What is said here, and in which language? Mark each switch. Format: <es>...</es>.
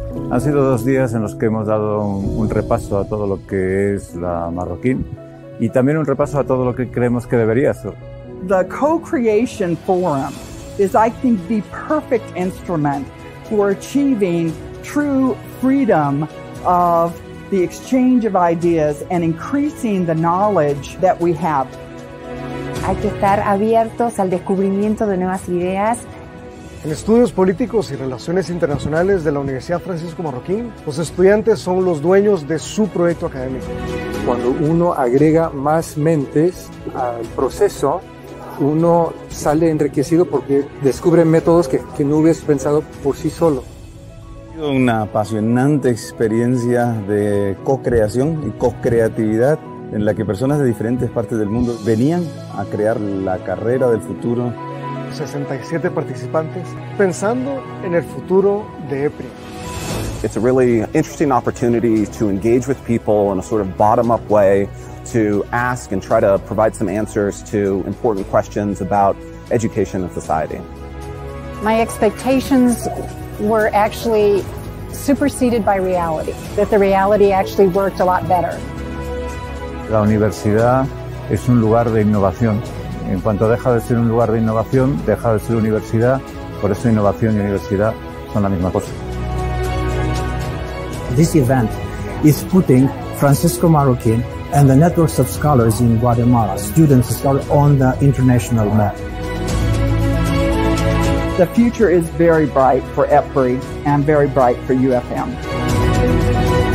<es>Han sido dos días en los que hemos dado un repaso a todo lo que es la Marroquín y también un repaso a todo lo que creemos que debería ser.</es> <en>The co-creation forum is, I think, the perfect instrument for achieving true freedom of the exchange of ideas and increasing the knowledge that we have.</en> <es>Hay que estar abiertos al descubrimiento de nuevas ideas. En estudios políticos y relaciones internacionales de la Universidad Francisco Marroquín, los estudiantes son los dueños de su proyecto académico. Cuando uno agrega más mentes al proceso, uno sale enriquecido porque descubre métodos que no hubiese pensado por sí solo. Ha sido una apasionante experiencia de co-creación y co-creatividad en la que personas de diferentes partes del mundo venían a crear la carrera del futuro. 67 participantes pensando en el futuro de EPRI.</es> <en>It's a really interesting opportunity to engage with people in a sort of bottom-up way, to ask and try to provide some answers to important questions about education and society. My expectations were actually superseded by reality, that the reality actually worked a lot better.</en> <es>La universidad es un lugar de innovación. En cuanto deja de ser un lugar de innovación, deja de ser universidad. Por eso innovación y universidad son la misma cosa.</es> <en>This event is putting Francisco Marroquín and the networks of scholars in Guatemala, students are on the international map. The future is very bright for EPRI and very bright for UFM.</en>